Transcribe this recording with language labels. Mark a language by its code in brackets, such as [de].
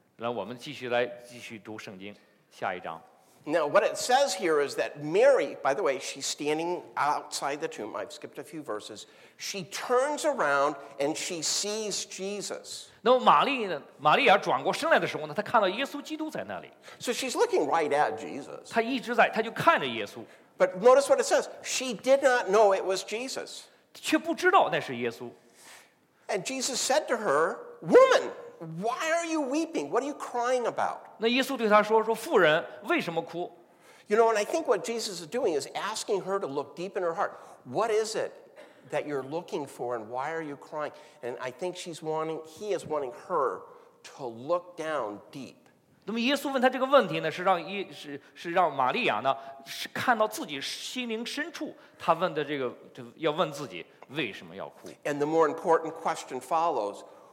[zh] 让我们继续来继续读圣经下一章 [en] Now what it says here is that Mary by the way she's standing outside the tomb I've skipped a few verses she turns around and she sees Jesus [zh] 那么玛利亚转过身来的时候呢她看到耶稣基督在那里 [en] So she's looking right at Jesus [zh] 她一直在她就看着耶稣 [en] But notice what it says she did not know it was Jesus [zh] 却不知道那是耶稣 [en] And Jesus said to her womanWhy are you weeping? What are you crying about? [zh] 那耶稣对他说：“说妇人，为什么哭 [en] ？”You know, and I think what Jesus is doing is asking her to look deep in her heart. What is it that you're looking for, and why are you crying? And I think he is wanting her to look down deep. [zh] 那么耶稣问他这个问题呢，是让玛利亚呢，是看到自己心灵深处，他问的这个，要问自己为什么要哭。 [en] And the more important question follows.